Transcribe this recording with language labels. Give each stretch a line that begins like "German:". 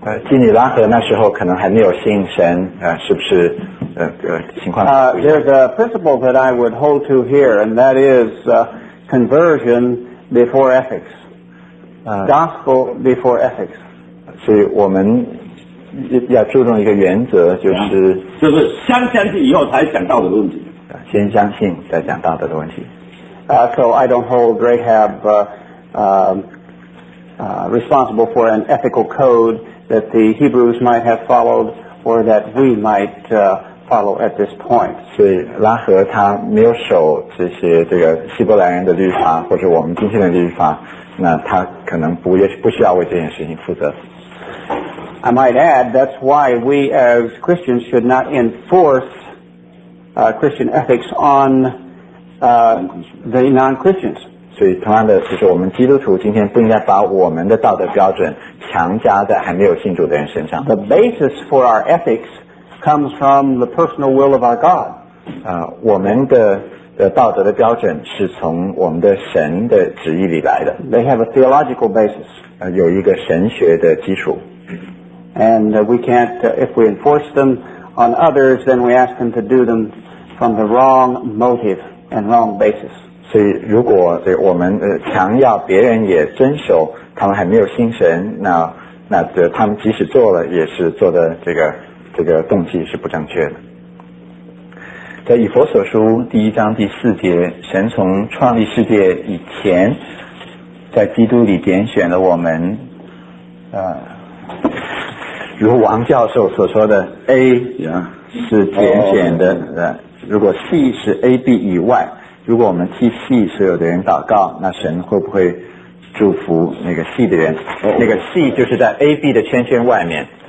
Chinese: 基尼拉和那时候可能还没有信神是不是情况
English: There's a principle that I would hold to here, and that is conversion before ethics. Gospel before ethics.
Chinese: 所以我们要注重一个原则，就是先相信以后才讲道的问题。先相信再讲道德的问题。
English: So I don't hold Rahab responsible for an ethical code that the Hebrews might have followed or that we might follow at this point.
Chinese: 所以拉合他没有守这些这个希伯来人的律法或者我们今天的律法，那他可能不需要为这件事情负责。
English: I might add, that's why we as Christians should not enforce Christian ethics on the non-Christians.
Chinese: 所以同样的，就是我们基督徒今天不应该把我们的道德标准强加在还没有信主的人身上。
English: The basis for our ethics comes from the personal will of our God.
Chinese: 我们的道德的标准是从我们的神的旨意里来的。
English: They have a theological basis.
Chinese: 有一个神学的基础。
English: And we can't, if we enforce them on others, then we ask them to do them from the wrong motive and wrong basis.
Chinese: 所以如果我们强要别人也遵守，他们还没有信神，那他们即使做了，也是做的这个动机是不正确的。在以弗所书第一章第四节，神从创立世界以前，在基督里拣选了我们，如王教授所说的 A 是简简的、如果 C 是 AB 以外，如果我们替 C 所有的人祷告，那神会不会祝福那个 C 的人、那个 C 就是在 AB 的圈圈外面，